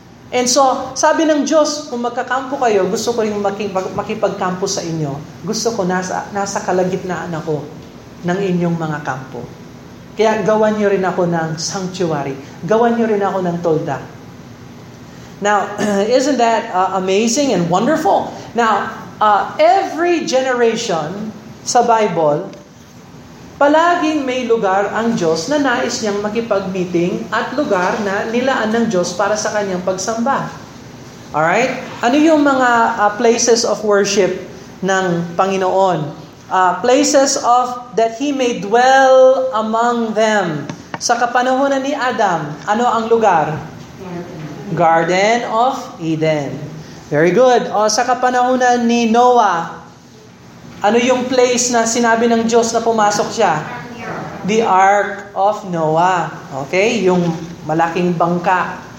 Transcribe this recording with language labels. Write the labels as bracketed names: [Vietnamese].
[Filipino] And so, sabi ng Diyos, kung magkakampo kayo, gusto ko rin makipagkampo sa inyo. Gusto ko nasa kalagitnaan ako ng inyong mga kampo. Kaya gawan niyo rin ako ng sanctuary. Gawan niyo rin ako ng tolda. [English] Now, isn't that amazing and wonderful? [Filipino] Now, every generation sa Bible, palaging may lugar ang Diyos na nais niyang makipag-meeting at lugar na nilaan ng Diyos para sa kanyang pagsamba. Alright? Ano yung mga places of worship ng Panginoon? [English] Places of that He may dwell among them. [Filipino] Sa kapanahonan ni Adam, ano ang lugar? Garden of Eden. Very good. O sa kapanahonan ni Noah, ano yung place na sinabi ng Diyos na pumasok siya? [English] The Ark of Noah. Okay? Yung malaking bangka.